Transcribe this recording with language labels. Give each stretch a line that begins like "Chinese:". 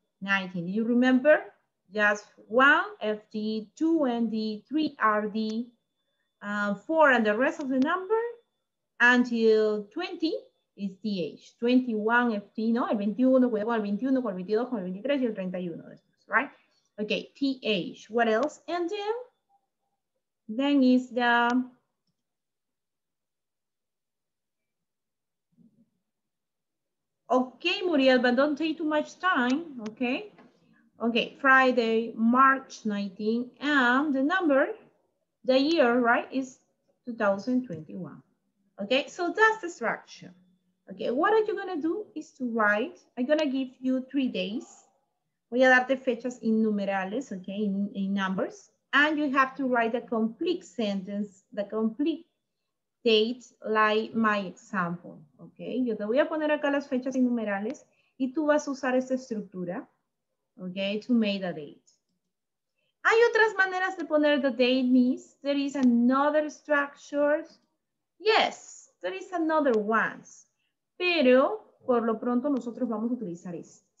English: 19, do you remember? Just one, FD, two, ND, three, RD, four, and the rest of the number until 20 is TH.
Spanish: 21, FD, no, el 21, cuidado, el 21, con el 22, con el 23 y el 31, después, right?
English: Okay, TH. What else? And then is the okay, Muriel, but don't take too much time, okay? Okay, Friday, March 19, and the number, the year, right, is 2021. Okay, so that's the structure. Okay, what are you gonna do is to write, I'm gonna give you 3 days.
Spanish: Voy a darte fechas en numerales, okay,
English: in numbers. And you have to write a complete sentence, the complete date, like my example, okay?
Spanish: Yo te voy a poner acá las fechas en numerales y tú vas a usar esta estructura, okay, to make a date. Hay otras maneras de poner
English: the date, Miss. There is another structure. Yes, there is another one.
Spanish: Pero, por lo pronto, nosotros vamos a utilizar esto.